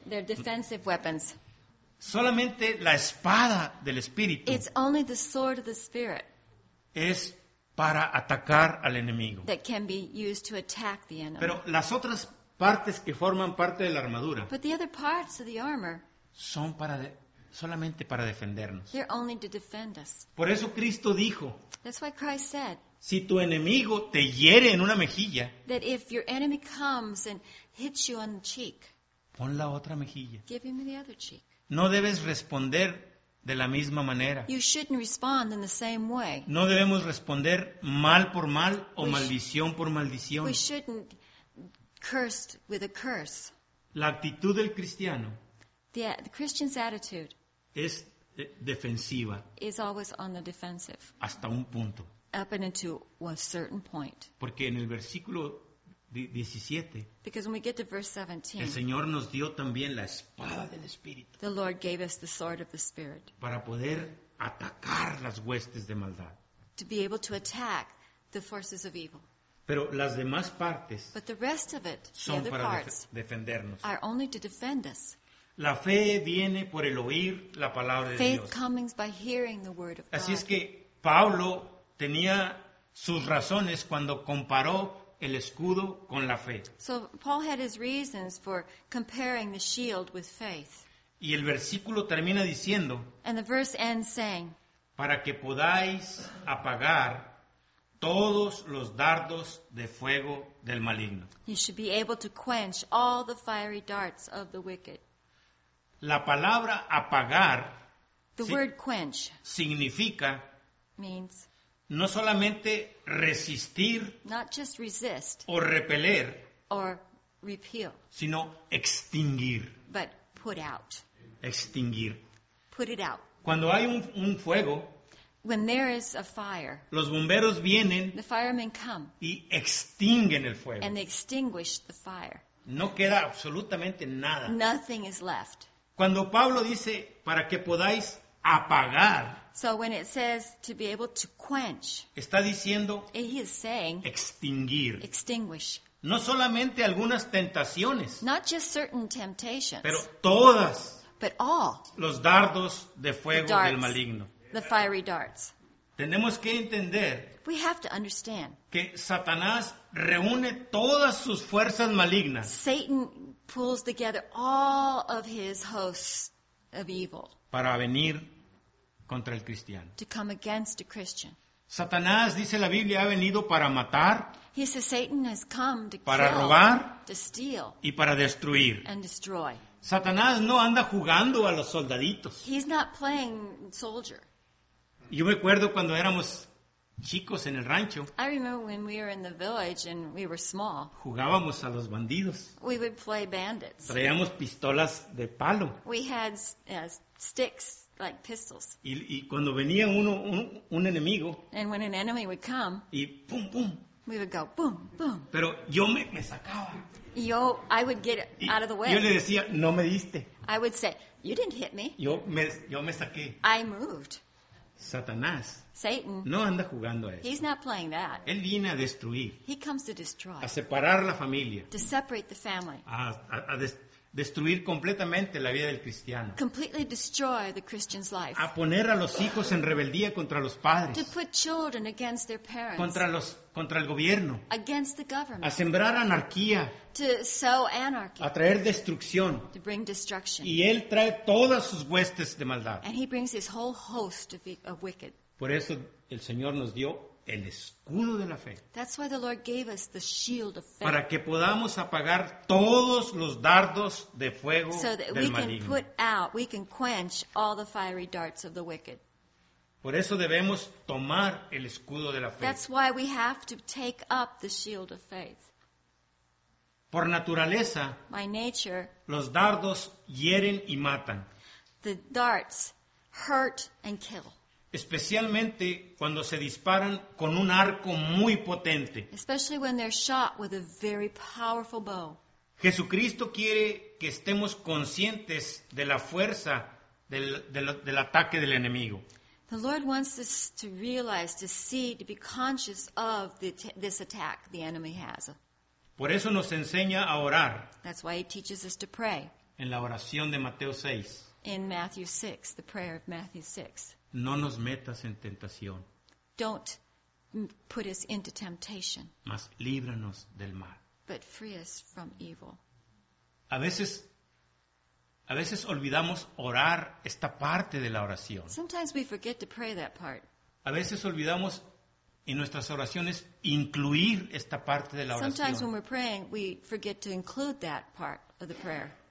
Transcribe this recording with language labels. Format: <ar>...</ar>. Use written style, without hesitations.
<en>They're defensive weapons.</en> <es>Solamente la espada del Espíritu.</es> <en>It's only the sword of the Spirit.</en> <es>Es para atacar al enemigo.</es> <en>That can be used to attack the enemy.</en> <es>Pero las otras partes que forman parte de la armadura.</es> <en>But the other parts of the armor.</en> <es>Son para solamente para defendernos.</es> <en>They're only to defend us.</en> <es>Por eso Cristo dijo.</es> <en>That's why Christ said.</en> <es>Si tu enemigo te hiere en una mejilla.</es> <en>That if your enemy comes and hits you on the cheek.</en> <es>Pon la otra mejilla.</es> <en>Give him the other cheek.</en> <es>No debes responder de la misma manera.</es> <en>You shouldn't respond in the same way.</en> <es>No debemos responder mal por mal o maldición por maldición.</es> <en>We shouldn't curse with a curse.</en> <es>La actitud del cristiano.</es> <en>The Christian's attitude.</en> <es>Es defensiva.</es> <en>Is always on the defensive.</en> <es>Hasta un punto.</es> <en>Up and into a certain point.</en> <es>Porque en el versículo 17,</es> <en>because when we get to verse 17,</en> <es>el Señor nos dio también la espada del Espíritu.</es> <en>The Lord gave us the sword of the Spirit.</en> <es>Para poder atacar las huestes de maldad.</es> <en>To be able to attack the forces of evil.</en> <es>Pero las demás partes,</es> <en>but the rest of it,</en> <es>son</es> <en>the other parts,</en> <es>defendernos.</es> <en>Are only to defend us.</en> <es>La fe viene por el oír la palabra de</es> <en>faith</en> <es>Dios.</es> <en>Comes by hearing the word of God.</en> <es>Así es que Pablo tenía sus razones cuando comparó el escudo con la fe.</es> <en>So Paul had his reasons for comparing the shield with faith.</en> <es>Y el versículo termina diciendo,</es> <en>and the verse ends saying,</en> <es>para que podáis apagar todos los dardos de fuego del maligno.</es> <en>You should be able to quench all the fiery darts of the wicked.</en> <es>La palabra apagar,</es> <en>the word quench,</en> <es>significa,</es> <en>means,</en> <es>no solamente resistir,</es> <en>not just resist,</en> <es>o repeler,</es> <en>or repeal,</en> <es>sino extinguir,</es> <en>but put out,</en> <es>extinguir,</es> <en>put it out.</en> <es>Cuando hay un fuego,</es> <en>when there is a fire,</en> <es>los bomberos vienen,</es> <en>the firemen come,</en> <es>y extinguen el fuego,</es> <en>and they extinguish the fire.</en> <es>No queda absolutamente nada.</es> <en>Nothing is left.</en> <es>Cuando Pablo dice para que podáis apagar,</es> <en>so when it says to be able to quench,</en> <es>está diciendo,</es> <en>he is saying,</en> <es>extinguir,</es> <en>extinguish,</en> <es>no solamente algunas tentaciones,</es> <en>not just certain temptations,</en> <es>pero todas,</es> <en>but all,</en> <es>los dardos de fuego,</es> <en>the darts,</en> <es>del maligno,</es> <en>the fiery darts.</en> <es>Tenemos que entender,</es> <en>we have to understand,</en> <es>que Satanás reúne todas sus fuerzas malignas,</es> <en>Satan pulls together all of his hosts of evil,</en> <es>para venir contra el cristiano.</es> <en>To come against a Christian.</en> <es>Satanás, dice la Biblia, ha venido para matar.</es> <en>He says Satan has come to kill,</en> <es>para robar,</es> <en>to steal,</en> <es>y para destruir,</es> <en>and destroy.</en> <es>Satanás no anda jugando a los soldaditos.</es> <en>He's not playing soldier.</en> <es>Yo me acuerdo cuando éramos chicos en el rancho.</es> <en>I remember when we were in the village and we were small.</en> <es>Jugábamos a los bandidos.</es> <en>We would play bandits.</en> <es>Traíamos pistolas de palo.</es> <en>We had sticks like pistols.</en> <es>Y cuando venía un enemigo.</es> <en>And when an enemy would come.</en> <es>Y pum pum.</es> <en>We would go boom boom.</en> <es>Pero yo me sacaba.</es> <en>I would get out of the way.</en> <es>Yo le decía, no me diste.</es> <en>I would say, you didn't hit me.</en> <es>Yo me saqué.</es> <en>I moved.</en> <es>Satanás.</es> <en>Satan.</en> <es>No anda jugando a eso.</es> <en>He's not playing that.</en> <es>Él viene a destruir.</es> <en>He comes to destroy.</en> <es>A separar la familia.</es> <en>To separate the family.</en> <es>Destruir completamente la vida del cristiano.</es> <en>Completely destroy the Christian's life.</en> <es>A poner a los hijos en rebeldía contra los padres.</es> <en>To put children against their parents.</en> <es>Contra el gobierno.</es> <en>Against the government.</en> <es>A sembrar anarquía.</es> <en>To sow anarchy.</en> <es>A traer destrucción.</es> <en>To bring destruction.</en> <es>Y él trae todas sus huestes de maldad.</es> <en>And he brings his whole host of wicked.</en> <es>Por eso el Señor nos dio el escudo de la fe.</es> <en>That's why the Lord gave us the shield of faith.</en> <es>Para que podamos apagar todos los dardos de fuego del maligno.</es> <en>So that we can put out, we can quench all the fiery darts of the wicked.</en> <es>Por eso debemos tomar el escudo de la fe.</es> <en>That's why we have to take up the shield of faith.</en> <es>Por naturaleza,</es> <en>by nature,</en> <es>los dardos hieren y matan.</es> <en>The darts hurt and kill.</en> <es>Especialmente cuando se disparan con un arco muy potente.</es> <en>Especially when they're shot with a very powerful bow.</en> <es>Jesucristo quiere que estemos conscientes de la fuerza del ataque del enemigo.</es> <en>The Lord wants us to realize, to see, to be conscious of this attack the enemy has.</en> <es>Por eso nos enseña a orar.</es> <en>That's why he teaches us to pray.</en> <es>En la oración de Mateo 6.</es> <en>In Matthew 6, the prayer of Matthew 6.</en> <es>No nos metas en tentación.</es> <en>Don't put us into temptation.</en> <es>Mas líbranos del mal.</es> <en>But free us from evil.</en> <es>A veces olvidamos orar esta parte de la oración.</es> <en>Sometimes we forget to pray that part.</en> <es>A veces olvidamos en nuestras oraciones incluir esta parte de la oración.</es> <en>Sometimes when we're praying, we forget to include that part of the prayer.</en>